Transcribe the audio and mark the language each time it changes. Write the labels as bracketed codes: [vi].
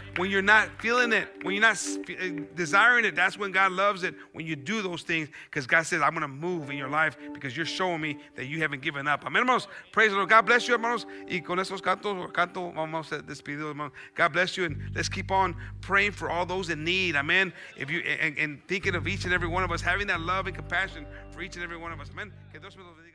[en] When you're not feeling it, when you're not desiring it, that's when God loves it, when you do those things, because God says, I'm going to move in your life because you're showing me that you haven't given up. Amen, hermanos. Praise the Lord. God bless you, hermanos. [es] Y con estos cantos, canto, vamos a despedirnos, hermanos. [en] God bless you, and let's keep on praying for all those in need. Amen. If you and thinking of each and every one of us, having that love and compassion for each and every one of us. Amen. [es] Que Dios me lo bendiga.